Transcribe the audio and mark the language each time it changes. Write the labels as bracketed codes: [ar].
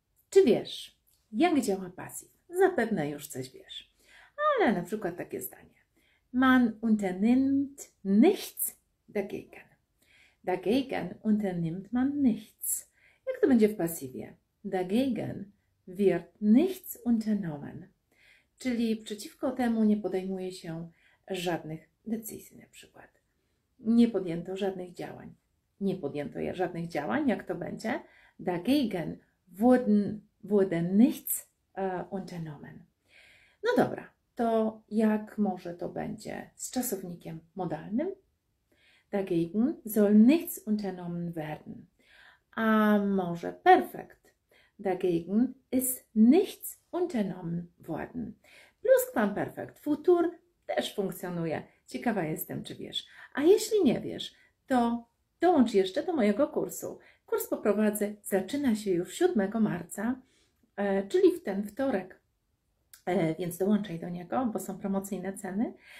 [pl] Czy wiesz, jak działa pasyw? Zapewne już coś wiesz. Ale na przykład takie zdanie. [de] Man unternimmt nichts dagegen. Dagegen unternimmt man nichts. [pl] Jak to będzie w pasywie? [de] Dagegen wird nichts unternommen. [pl] Czyli przeciwko temu nie podejmuje się żadnych decyzji na przykład. Nie podjęto żadnych działań. Nie podjęto żadnych działań, jak to będzie? [de] Dagegen wurde nichts unternommen. [pl] No dobra, to jak może to będzie z czasownikiem modalnym? [de] Dagegen soll nichts unternommen werden. [pl] A może perfekt? [de] Dagegen ist nichts unternommen worden. [pl] Pluskwamperfekt, futur też funkcjonuje. Ciekawa jestem, czy wiesz. A jeśli nie wiesz, to dołącz jeszcze do mojego kursu. Kurs poprowadzę, zaczyna się już 7 marca, czyli w ten wtorek, więc dołączaj do niego, bo są promocyjne ceny.